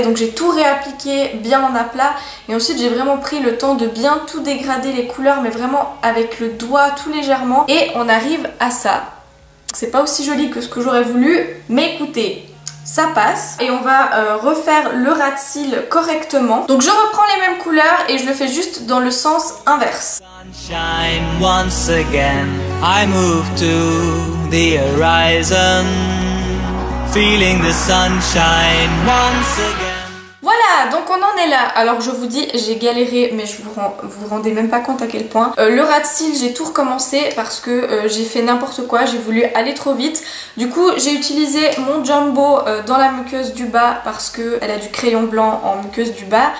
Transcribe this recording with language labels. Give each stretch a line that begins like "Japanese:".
French: Donc j'ai tout réappliqué bien en aplat et ensuite j'ai vraiment pris le temps de bien tout dégrader les couleurs, mais vraiment avec le doigt tout légèrement, et on arrive à ça. C'est pas aussi joli que ce que j'aurais voulu, mais écoutez, ça passe. Et on va refaire le ras de cils correctement. Donc je reprends les mêmes couleurs et je le fais juste dans le sens inverse.
English: Sunshine once again, I move to the horizon, feeling the sunshine once again.
French: Voilà, donc on en est là. Alors je vous dis, j'ai galéré, mais je vous rendez même pas compte à quel point. Le ras de cils, j'ai tout recommencé parce que j'ai fait n'importe quoi, j'ai voulu aller trop vite. Du coup, j'ai utilisé mon jumbo dans la muqueuse du bas parce que elle a du crayon blanc en muqueuse du bas.